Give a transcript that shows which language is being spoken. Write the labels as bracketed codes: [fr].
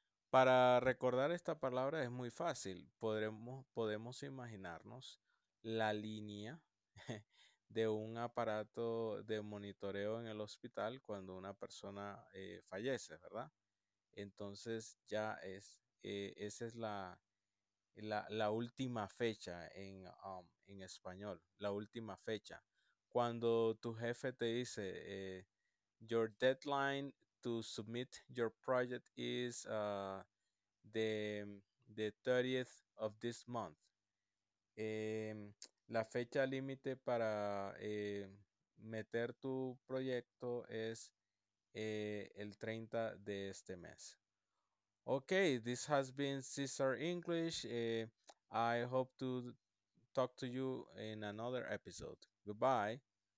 [es] Para recordar esta palabra es muy fácil. Podemos imaginarnos la línea de un aparato de monitoreo en el hospital cuando una persona fallece, ¿verdad? Entonces ya es, esa es la última fecha en español, la última fecha. Cuando tu jefe te dice, [en] your deadline to submit your project is the 30th of this month. [es] La fecha límite para meter tu proyecto es el 30 de este mes. [en] Okay, this has been Cesar English. I hope to talk to you in another episode. Goodbye.